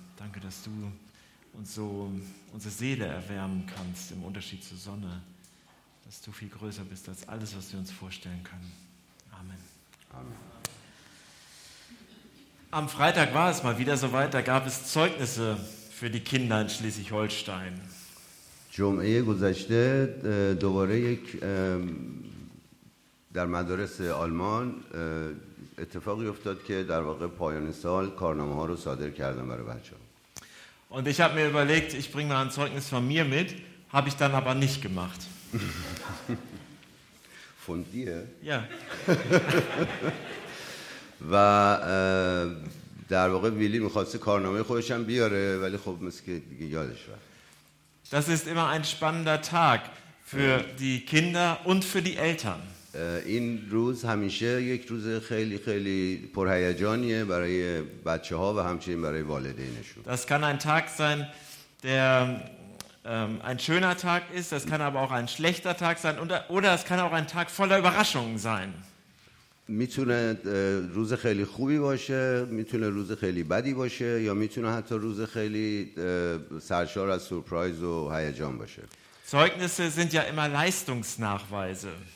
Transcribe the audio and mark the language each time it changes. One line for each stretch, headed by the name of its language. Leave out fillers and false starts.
German: Danke, dass du uns so unsere Seele erwärmen kannst im Unterschied zur Sonne, dass du viel größer bist als alles, was wir uns vorstellen können. Amen. Amen. Am Freitag war es mal wieder soweit, da gab es Zeugnisse für die Kinder in Schleswig-Holstein.
Persian: جمعه گذشته دوباره یک در مدارس آلمان اتفاقی افتاد که در واقع پایان سال کارنامه ها رو صادر کردن برای بچه‌ها.
German: Und ich habe mir überlegt, ich bringe mal ein Zeugnis von mir mit, habe ich dann aber nicht gemacht. Von dir? Ja.
Persian: و در واقع ویلی می‌خواست کارنامه خودش هم بیاره ولی خب مسکه دیگه یادش رفت.
German: Das ist immer ein spannender Tag für die Kinder und für die Eltern.
Persian: این روز همیشه یک روز خیلی خیلی پرهیجانیه برای بچه‌ها و همچنین برای والدینشون.
German: Das kann ein Tag sein, der ein schöner Tag ist, das kann aber auch ein schlechter Tag sein oder es kann auch ein Tag voller Überraschungen sein.
Persian: میتونه روز خیلی خوبی باشه، میتونه روز خیلی بدی باشه یا میتونه حتی روز خیلی سرشار از سورپرایز و هیجان باشه.
German: Zeugnisse sind ja immer Leistungsnachweise.